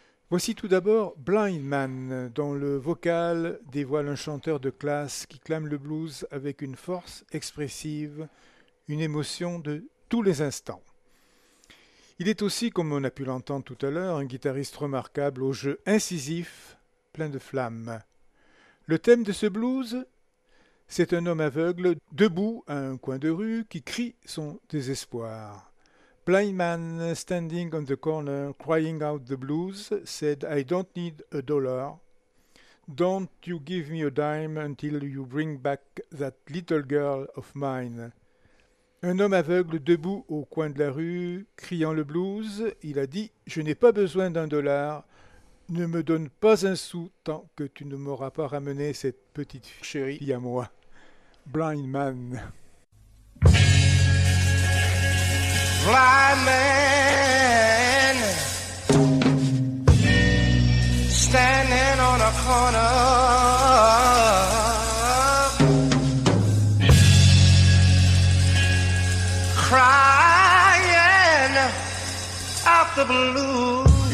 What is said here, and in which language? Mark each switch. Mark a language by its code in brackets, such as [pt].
[fr] Voici tout d'abord Blind Man, dont le vocal dévoile un chanteur de classe qui clame le blues avec une force expressive, une émotion de tous les instants. Il est aussi, comme on a pu l'entendre tout à l'heure, un guitariste remarquable au jeu incisif, plein de flamme. Le thème de ce blues, c'est un homme aveugle, debout à un coin de rue, qui crie son désespoir. [en] Blind man standing on the corner crying out the blues said I don't need a dollar. Don't you give me a dime until you bring back that little girl of mine. [fr] Un homme aveugle debout au coin de la rue criant le blues, il a dit je n'ai pas besoin d'un dollar, ne me donne pas un sou tant que tu ne m'auras pas ramené cette petite chérie à moi. [en] Blind man. Blind man standing on a corner crying out the blues,